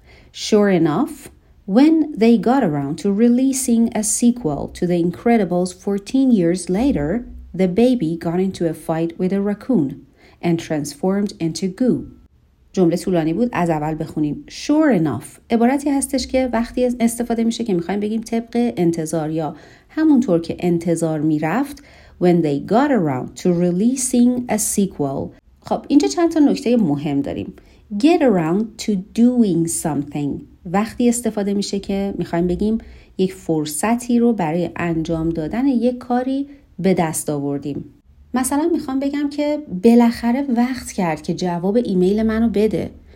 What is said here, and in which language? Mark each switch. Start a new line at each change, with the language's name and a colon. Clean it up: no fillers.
English: Sure enough, when they got around to releasing a sequel to The Incredibles 14 years later, the baby got into a fight with a raccoon and transformed into goo.
Persian: جمله طولانی بود، از اول بخونیم. Sure enough عبارتی هستش که وقتی استفاده میشه که میخوایم بگیم طبق انتظار یا همونطور که انتظار میرفت.
English: When they got around to releasing a sequel.
Persian: خب اینجا چند تا نکته مهم داریم. Get around to doing something وقتی استفاده میشه که میخوایم بگیم یک فرصتی رو برای انجام دادن یک کاری به دست آوردیم. مثلا میخوام بگم که بالاخره وقت کرد که جواب ایمیل منو بده.